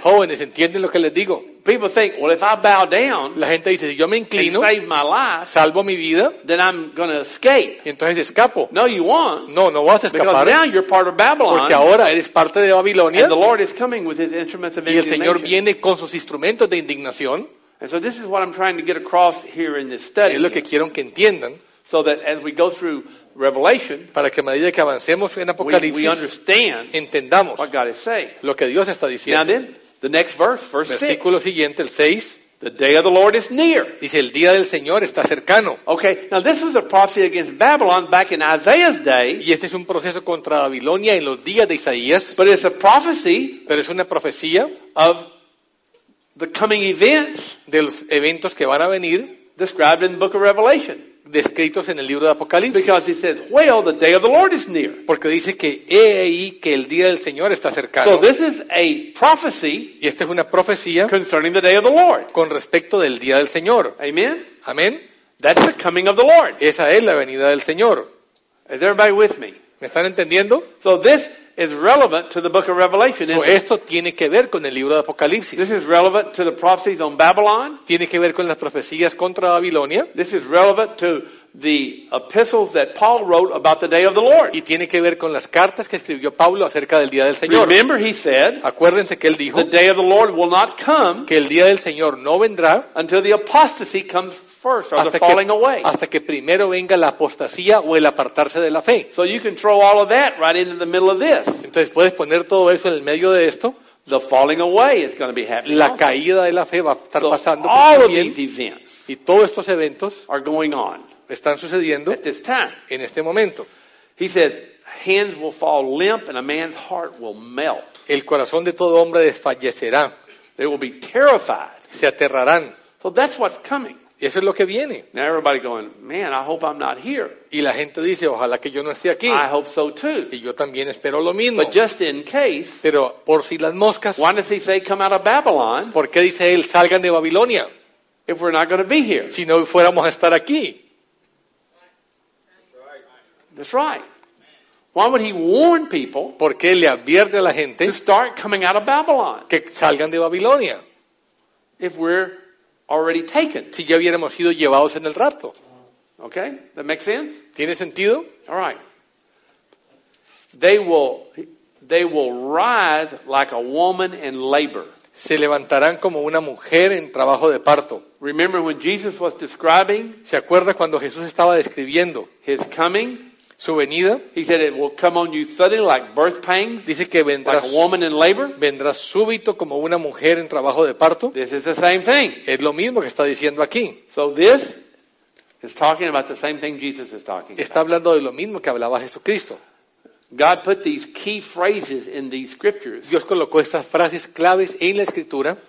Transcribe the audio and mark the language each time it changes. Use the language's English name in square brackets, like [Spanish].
[Spanish] Jóvenes, ¿entienden lo que les digo? [English] People think, well, if I bow down, [Spanish] la gente dice, si yo me inclino, [English] and save my life, [Spanish] salvo mi vida, [English] then I'm going to escape. [Spanish] Entonces escapo. [English] No, you won't. [Spanish] No, no vas a escapar. [English] Because now you're part of Babylon. [Spanish] Porque ahora eres parte de Babilonia. [English] And the Lord is coming with his instruments of indignation. [Spanish] Y el Señor viene con sus instrumentos de indignación. [English] And so this is what I'm trying to get across here in this study. [Spanish] Es lo que quiero que entiendan. [English] So that as we go through Revelation, [Spanish] para que a medida que avancemos en Apocalipsis, [English] we understand, [Spanish] entendamos [English] what God is saying. [Spanish] Lo que Dios está diciendo. [English] Now then, the next verse, verse 6. [Spanish] Versículo siguiente, el 6. [English] The day of the Lord is near. [Spanish] Dice, el día del Señor está cercano. [English] Okay, now this was a prophecy against Babylon back in Isaiah's day. [Spanish] Y este es un proceso contra Babilonia en los días de Isaías. [English] But it's a prophecy. [Spanish] Pero es una profecía. [English] Of the coming events. [Spanish] De los eventos que van a venir. [English] Described in the book of Revelation. [Spanish] Descritos en el libro de Apocalipsis. [English] Because he says, well, the day of the Lord is near. [Spanish] Porque dice que he ahí que el día del Señor está cercano. [English] So this is a prophecy. [Spanish] Y esta es una profecía. [English] Concerning the day of the Lord. [Spanish] Con respecto del día del Señor. [English] Amen. [Spanish] Amén. [English] That's the coming of the Lord. [Spanish] Esa es la venida del Señor. [English] Is everybody with me? [Spanish] ¿Me están entendiendo? [English] So this is relevant to the book of Revelation. [Spanish] So esto tiene que ver con el libro de Apocalipsis. [English] This is relevant to the prophecies on Babylon. [Spanish] Tiene que ver con las profecías contra Babilonia. [English] This is relevant to the epistles that Paul wrote about the day of the Lord. [Spanish] Y tiene que ver con las cartas que escribió Pablo acerca del día del Señor. [English] Remember, he said, [Spanish] acuérdense que él dijo, [English] the day of the Lord will not come, [Spanish] que el día del Señor no vendrá, [English] until the apostasy comes first, or the falling away. [Spanish] Hasta que primero venga la apostasía o el apartarse de la fe. [English] So you can throw all of that right into the middle of this. [Spanish] Entonces puedes poner todo eso en el medio de esto. [English] The falling away is going to be happening. [Spanish] La caída de la fe va a estar [English] so [Spanish] pasando [English] all [Spanish] también. [English] Of these events [Spanish] y todos estos eventos [English] are going on [Spanish] están sucediendo [English] at this time. [Spanish] En este momento. [English] He says, hands will fall limp and a man's heart will melt. [Spanish] El corazón de todo hombre desfallecerá. [English] They will be terrified. [Spanish] Se aterrarán. [English] So that's what's coming. [Spanish] Y eso es lo que viene. [English] Now everybody going, man, I hope I'm not here. [Spanish] Y la gente dice, ojalá que yo no esté aquí. [English] I hope so too. [Spanish] Y yo también espero lo mismo. [English] But just in case. [Spanish] Pero por si las moscas. [English] Why does he say come out of Babylon? [Spanish] ¿Por qué dice él salgan de Babilonia? [English] If we're not going to be here. [Spanish] Si no fuéramos a estar aquí. [English] That's right. Why would he warn people? [Spanish] ¿Por qué le advierte a la gente? [English] To start coming out of Babylon. [Spanish] Que salgan de Babilonia. [English] If we're already taken. [Spanish] Si ya hubiéramos sido llevados en el rapto. [English] Okay, that makes sense? [Spanish] ¿Tiene sentido? [English] All right. They will writhe like a woman in labor. [Spanish] Se levantarán como una mujer en trabajo de parto. [English] Remember when Jesus was describing? [Spanish] ¿Se acuerda cuando Jesús estaba describiendo? [English] His coming. [Spanish] Su venida. [English] He said it will come on you suddenly like birth pangs. [Spanish] Dice que vendrá, [English] like a woman in labor. [Spanish] Vendrá súbito como una mujer en trabajo de parto. [English] This is the same thing. [Spanish] Es lo mismo que está diciendo aquí. [English] So this is talking about the same thing Jesus is talking. [Spanish] Está hablando de lo mismo que hablaba Jesucristo. [English] God put these key phrases in these scriptures. [Spanish] Dios colocó estas frases claves en la escritura.